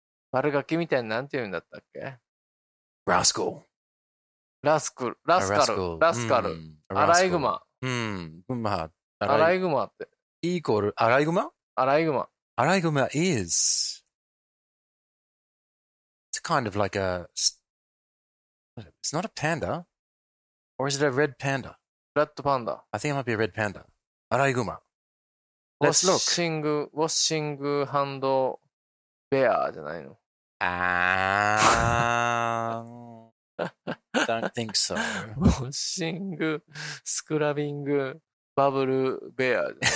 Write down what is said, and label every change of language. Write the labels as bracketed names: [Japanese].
[Japanese] 悪ガキみたいになんて言うんだったっけ？ラスカル。ラスク、ラスカル、ラスカル、アライグマ。うん、まあ、アライグマって。イーコール、アライグマ？アライグマ。 [English] アライグマ is it's kind of like a it's not a panda or is it a red panda? [Japanese] レッドパンダ。 [English] I think it might be a red panda. [Japanese] アライグマ。 [English] Let's look. [Japanese] ウォッシングハンドベアじゃないの？ [English] あー。Don't think so. Washing, scrubbing, bubble bear.